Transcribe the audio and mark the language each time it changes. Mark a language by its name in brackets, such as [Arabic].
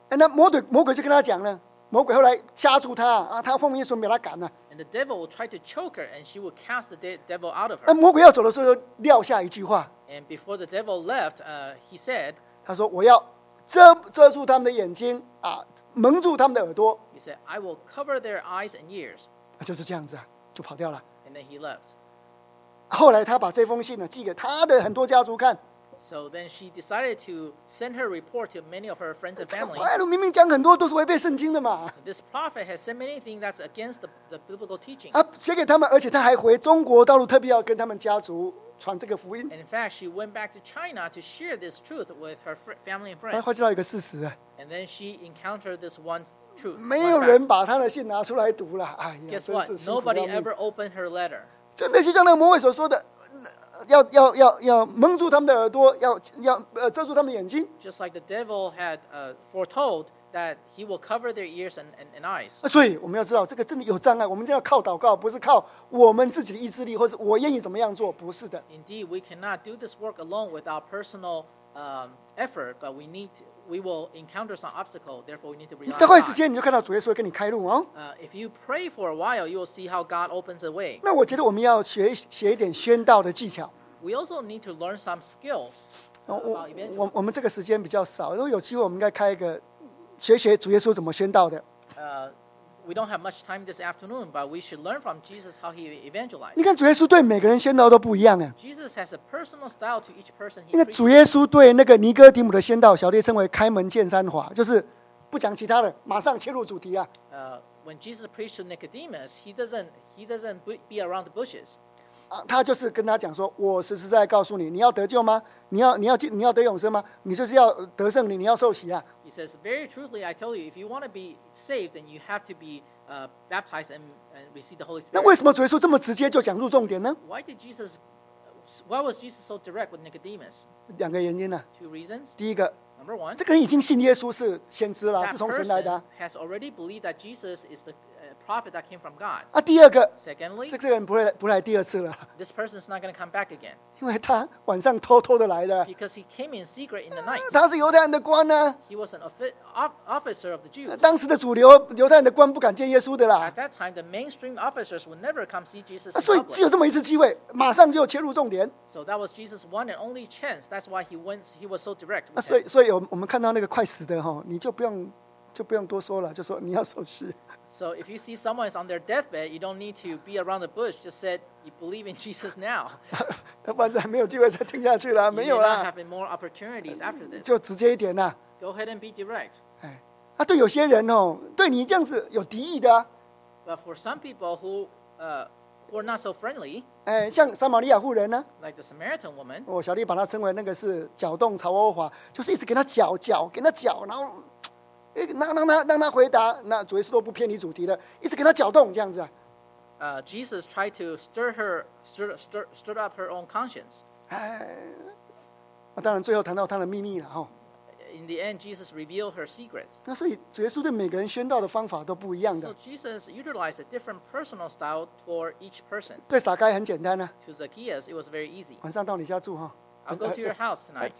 [Chinese] And 那魔鬼就跟她讲了。魔鬼后来掐住他啊，他奉耶稣名把他赶了。 [English] And the devil will try to choke her, and she will cast the devil out of her. [Chinese] 那魔鬼要走的时候，撂下一句话。 [English] And before the devil left, he said, [Chinese] 他说我要遮住他们的眼睛啊，蒙住他们的耳朵。 [English] He said, I will cover their eyes and ears. [Chinese] 就是这样子啊，就跑掉了。 [English] And then he left. [Chinese] 后来他把这封信呢寄给他的很多家族看。 [English] So then she decided to send her report to many of her friends and family. [Chinese] 怀艾伦明明讲很多都是违背圣经的嘛。 [English] This prophet has said many things that's against the biblical teaching. [Chinese] 啊，写给他们，而且他还回中国大陆，特别要跟他们家族传这个福音。 [English] And in fact, she went back to China to share this truth with her family and friends. [Chinese] 她发觉到一个事实。 [English] And then she encountered this one truth. [Chinese] 没有人把她的信拿出来读了，哎呀，真是辛苦了。 [English] Nobody ever opened her letter. [Chinese] 真的就像那个魔鬼所说的。要蒙住他们的耳朵，要遮住他们的眼睛。 [English] Just like the devil had foretold, that he will cover their ears and eyes. [Chinese] 所以我们要知道这个真的有障碍，我们就要靠祷告，不是靠我们自己的意志力，或是我愿意怎么样做，不是的。 [English] Indeed, we cannot do this work alone with our personal effort, but we need to. We will encounter some obstacle, therefore we need to rely on God. [Chinese] 祷告一时间，你就看到主耶稣会给你开路哦。 [English] If you pray for a while, you will see how God opens a way. [Chinese] 那我觉得我们要学一点宣道的技巧。 [English] We also need to learn some skills. [Chinese] 我们这个时间比较少，如果有机会，我们应该开一个学主耶稣怎么宣道的。 [English] We don't have much time this afternoon, but we should learn from Jesus how he evangelized. [Chinese] 你看主耶稣对每个人宣道都不一样啊。 [English] Jesus has a personal style to each person. [Chinese] 因为主耶稣对那个尼哥底母的宣道，小弟称为开门见山法，就是不讲其他的，马上切入主题啊。 [English] When Jesus preached to Nicodemus, he doesn't be around the bushes. [Chinese] 他就是跟他讲说，我实实在告诉你，你要得救吗？你要得永生吗？你就是要得胜你要受洗啊。 [English] He says, very truthfully, I tell you, if you want to be saved, then you have to be baptized and receive the Holy Spirit. [Chinese] 那为什么主耶稣这么直接就讲入重点呢？ [English] Why was Jesus so direct with Nicodemus? [Chinese] 两个原因呢。 [English] Two reasons. [Chinese] 第一个。 [English] Number one. [Chinese] 这个人已经信耶稣是先知了，是从神来的。 [English] Has already believed that Jesus is the prophet that came from God. [Chinese] 啊，第二个。 [English] Secondly. [Chinese] 这个人不来第二次了。 [English] This person is not going to come back again. [Chinese] 因为他晚上偷偷的来的。 [English] Because he came in secret in the night. [Chinese] 他是犹太人的官呢。 [English] He was an officer of the Jews. [Chinese] 当时的主流犹太人的官不敢见耶稣的啦。 [English] At that time, the mainstream officers would never come see Jesus. [Chinese] 所以只有这么一次机会，马上就切入重点。 [English] So that was Jesus' one and only chance. That's why he was so direct. [Chinese] 所以我们看到那个快死的哈，你就不用多说了，就说你要受洗。 [English] So if you see someone is on their deathbed, you don't need to be around the bush. Just said you believe in Jesus now. [Chinese] 要不然没有机会再听下去了，没有啦。 [English] You may not have more opportunities after this. [Chinese] 就直接一点呐。 [English] Go ahead and be direct. [Chinese] 哎，对有些人哦，对你这样子有敌意的啊。 [English] But for some people who are not so friendly. [Chinese] 哎，像撒玛利亚妇人呢、啊、 [English] ？Like the Samaritan woman. [Chinese] 我小弟把她称为那个是搅动曹欧华，就是一直给她搅，给她搅，然后。让他回答，那主耶稣都不偏离主题的，一直给他搅动这样子、啊。 [English] Jesus tried to stir up her own conscience. [Chinese] 当然最后谈到他的秘密了哈。 [English] In the end, Jesus revealed her secret. [Chinese] 那所以主耶稣对每个人宣道的方法都不一样的。 [English] So Jesus utilized a different personal style for each person. [Chinese] 对撒该很简单呢、啊。 [English] To Zacchaeus, it was very easy. [Chinese] 晚上到你家住哈。 [English] I'll go to your house tonight.